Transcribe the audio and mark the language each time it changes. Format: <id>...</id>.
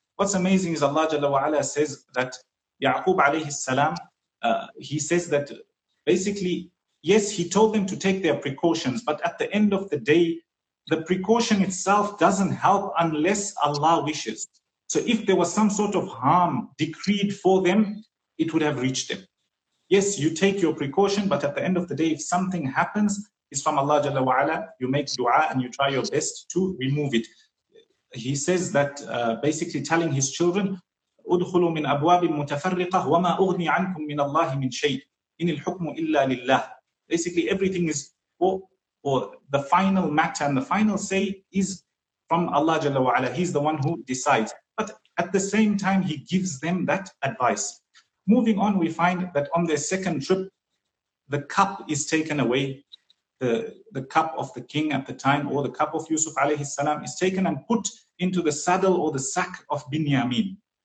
<en>What's amazing is Allah Jalla wa Ala says that Ya'qub alayhi salam, he says that basically, yes, he told them to take their precautions, but at the end of the day, the precaution itself doesn't help unless Allah wishes. So if there was some sort of harm decreed for them, it would have reached them. Yes, you take your precaution, but at the end of the day, if something happens, it's from Allah Jalla wa Ala, you make dua and you try your best to remove it. He says that basically telling his children,</en> <ar>أُدْخُلُوا مِنْ أَبْوَابٍ مُتَفَرِّقَةٍ وَمَا أُغْنِي عَنْكُمْ مِنَ اللَّهِ مِنْ شَيْءٍ إِنِ الْحُكْمُ إِلَّا لِلَّهِ.</ar> <en>Basically, everything is or the final matter and the final say is from Allah Jalla wa Ala. He's the one who decides. But at the same time, he gives them that advice. Moving on, we find that on their second trip, the cup is taken away. The cup of the king at the time, or the cup of Yusuf alayhi salam, is taken and put into the saddle or the sack of Binyamin.</en>